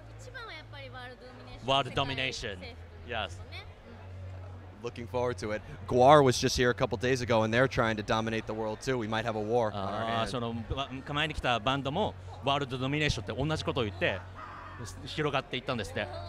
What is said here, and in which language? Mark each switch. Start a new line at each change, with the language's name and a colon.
Japanese: 一番はやっぱりワールドドミネーション。ワールドドミネーション。
English: Yes. Looking forward to it. Guar was just here a couple days ago and they're trying to dominate the world too. We might have a war on our hands.
Japanese: その前に来たバンドもワールドドミネーションって同じことを言って広がっていったんですって。